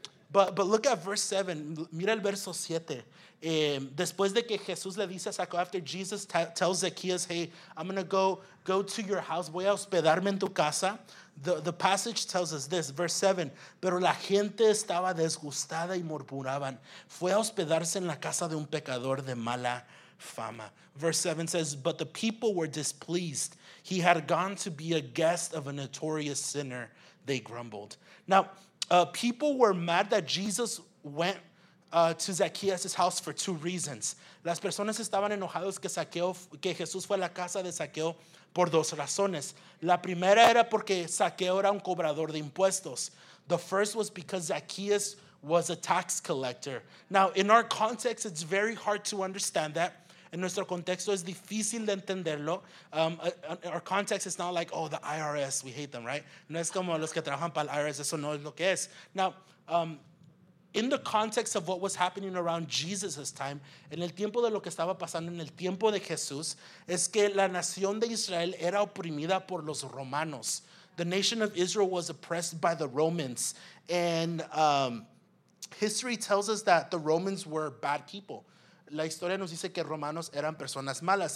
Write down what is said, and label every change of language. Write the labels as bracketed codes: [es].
[en] But look at verse 7, [es] mira el verso 7. Después de que Jesús le dice a Zaqueo, [en] after Jesus tells Zacchaeus, hey, I'm going to go to your house, [es] voy a hospedarme en tu casa, [en] the passage tells us this, verse 7, [es] pero la gente estaba disgustada y murmuraban, fue a hospedarse en la casa de un pecador de mala fama. [en] Verse 7 says, but the people were displeased, he had gone to be a guest of a notorious sinner, they grumbled. Now, people were mad that Jesus went to Zacchaeus' house for 2 reasons. [es] Las personas estaban enojados que Jesús fue a la casa de Zaqueo por 2 razones. La primera era porque Zaqueo era un cobrador de impuestos. [en] The first was because Zacchaeus was a tax collector. Now, in our context, it's very hard to understand that. [es] En nuestro contexto es difícil de entenderlo. [en] Our context is not like, oh, the IRS, we hate them, right? [es] No es como los que trabajan para el IRS, eso no es lo que es. [en] Now, in the context of what was happening around Jesus' time, [es] en el tiempo de lo que estaba pasando, en el tiempo de Jesús, es que la nación de Israel era oprimida por los romanos. [en] The nation of Israel was oppressed by the Romans. And history tells us that the Romans were bad people. [es] La historia nos dice que romanos eran personas malas.